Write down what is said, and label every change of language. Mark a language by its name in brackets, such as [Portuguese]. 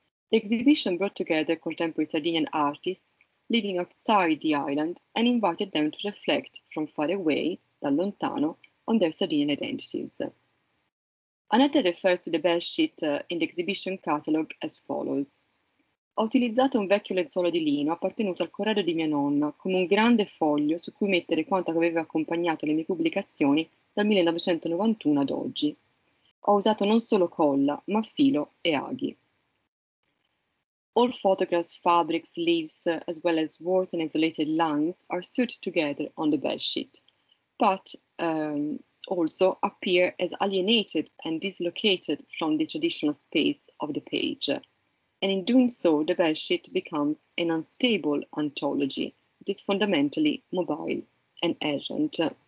[English] The exhibition brought together contemporary Sardinian artists living outside the island and invited them to reflect from far away, [Italian] da lontano, [English] on their Sardinian identities. Annette refers to the bedsheet in the exhibition catalogue as follows. [Italian] Ho utilizzato un vecchio lenzuolo di lino appartenuto al corredo di mia nonna come un grande foglio su cui mettere quanto aveva accompagnato le mie pubblicazioni dal 1991 ad oggi. Ho usato non solo colla, ma filo e aghi. [English] All photographs, fabrics, leaves, as well as words and isolated lines are sewed together on the bedsheet, but also appear as alienated and dislocated from the traditional space of the page. And in doing so, the bedsheet becomes an unstable ontology that is fundamentally mobile and errant.